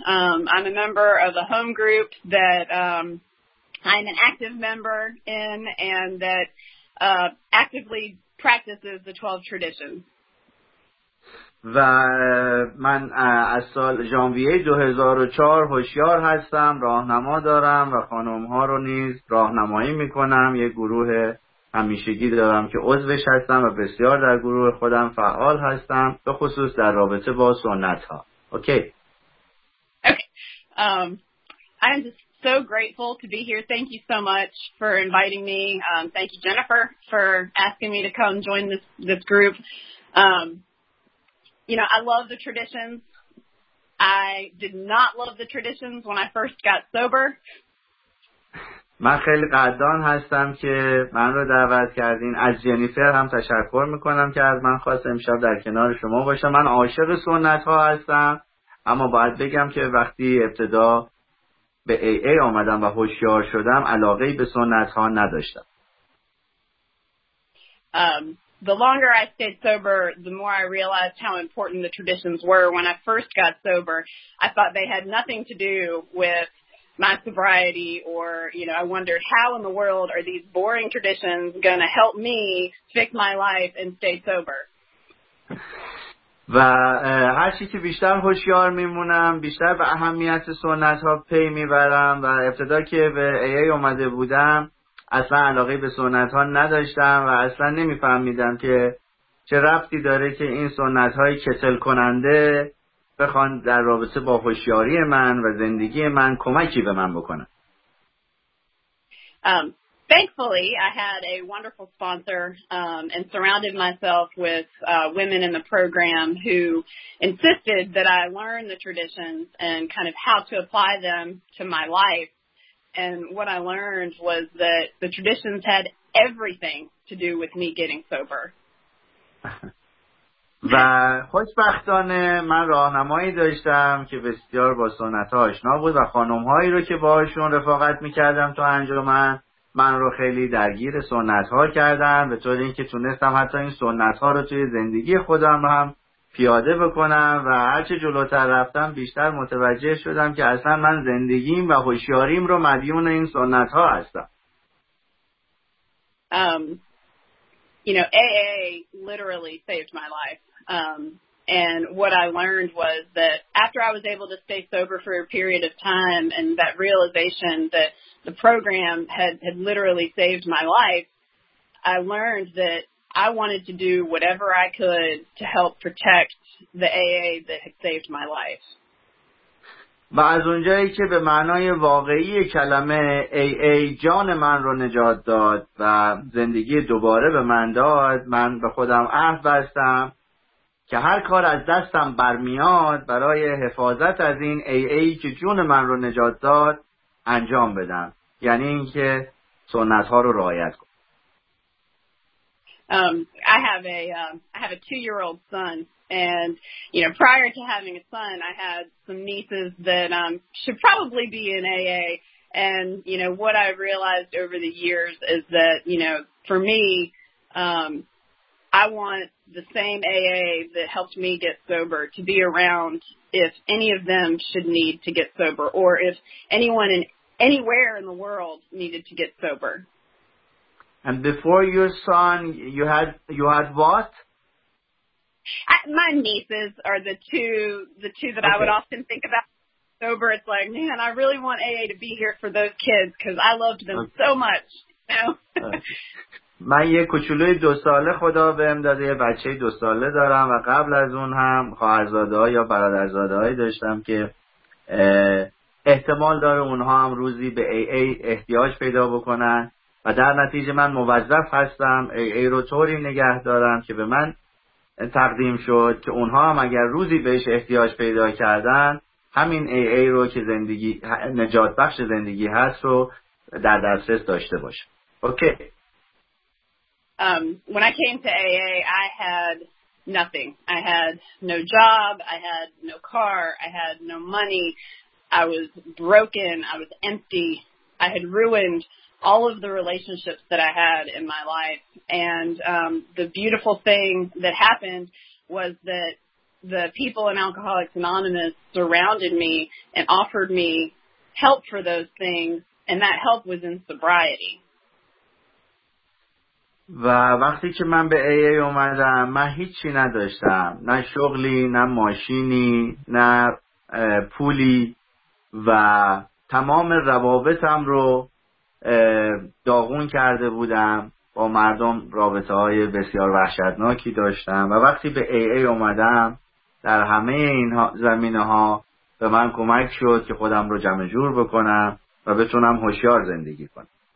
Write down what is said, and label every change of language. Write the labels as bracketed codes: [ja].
[en] I'm a member of a home group that I'm an active member in and that actively practices the 12 traditions. [fa] و من از سال ژانویه 2004 هوشیار هستم، راهنما دارم و خانم ها رو نیز راهنمایی می کنم. یک گروه همیشگی دارم که عضوش هستم و بسیار در گروه خودم فعال هستم، به خصوص در رابطه با سنت ها. [en] Okay. I'm just so grateful to be here. Thank you so much for inviting me. Thank you, Jennifer, for asking me to come join this group. You know, I love the traditions. I did not love the traditions when I first got sober. [fa] من خیلی قدردان هستم که من رو دعوت کردین. از جنیفر هم تشکر میکنم که از من خواست امشب در کنار شما باشم. من عاشق سنت ها هستم، اما باید بگم که وقتی ابتدا به AA آمدم و هوشیار شدم علاقه به سنت ها نداشتم. [en] The longer I stayed sober, the more I realized how important the traditions were. When I first got sober, I thought they had nothing to do with my sobriety, or, you know, I wondered how in the world are these boring traditions going to help me fix my life and stay sober. [fa] و هر چی که بیشتر هوشیار میمونم بیشتر به اهمیت سنت ها پی میبرم و ابتدا که به AA اومده بودم اصلا علاقه به سنت ها نداشتم و اصلا نمیفهمیدم که چه ربطی داره که این سنت های کسل کننده بخوان در رابطه با هوشیاری من و زندگی من کمکی به من بکنن. [en] Thankfully, I had a wonderful sponsor and surrounded myself with women in the program who insisted that I learn the traditions and kind of how to apply them to my life. And what I learned was that the traditions had everything to do with me getting sober. [fa] و خوشبختانه من راهنمایی داشتم که بسیار با سنت‌ها آشنا بود و خانم‌هایی رو که باهاشون رفاقت می‌کردم تو انجمن من رو خیلی درگیر سنت‌ها کردن به طور اینکه تونستم حتی این سنت‌ها رو توی زندگی خودم هم پیاده بکنم و هرچه جلوتر رفتم بیشتر متوجه شدم که اصلا من زندگیم و هوشیاریم رو مدیون این سنت‌ها هستم. [en] You know, AA literally saved my life. And what I learned was that after I was able to stay sober for a period of time and that realization that the program had literally saved my life, I learned that I wanted to do whatever I could to help protect the AA that had saved my life. [fa] و از اونجایی که به معنای واقعی کلمه AA جان من رو نجات داد و زندگی دوباره به من داد، من به خودم عهد بستم که هر کار از دستم برمیاد برای حفاظت از این AA که جون من رو نجات داد انجام بدم، یعنی اینکه سنت ها رو رعایت کنم. [en] I have a 2-year-old son, and you know, prior to having a son, I had some nieces that should probably be in AA. And you know, what I realized over the years is that you know, for me, I want the same AA that helped me get sober to be around if any of them should need to get sober, or if anyone in anywhere in the world needed to get sober. And before your son, you had what? My nieces are the two that okay. I would often think about sober. It's like, man, I really want AA to be here for those kids because I loved them okay. so much. [fa] من یه کوچولوی 2 ساله خدا بهم داده یه بچه 2 ساله دارم و قبل از اون هم خواهرزاده‌ها یا برادرزاده‌هایی داشتم که احتمال داره اونها هم روزی به AA احتیاج پیدا بکنن. و در نتیجه من موظف هستم AA رو طوری نگه دارم که به من تقدیم شد که اونها هم اگر روزی بهش احتیاج پیدا کردن همین AA رو که زندگی نجات بخش زندگی هست رو در دسترس داشته باشه. اوکی. [en] When I came to AA, I had nothing. I had no job, I had no car, I had no money. I was broken, I was empty. I had ruined all of the relationships that I had in my life. And the beautiful thing that happened was that the people in Alcoholics Anonymous surrounded me and offered me help for those things, and that help was in sobriety. [fa] و وقتی که من به AA اومدم من هیچی نداشتم، نه شغلی، نه ماشینی، نه پولی، و تمام روابطم رو داغون کرده بودم، با مردم رابطه های بسیار وحشتناکی داشتم و وقتی به AA اومدم در همه این زمینه ها به من کمک شد که خودم رو جمع جور بکنم و بتونم هوشیار زندگی کنم.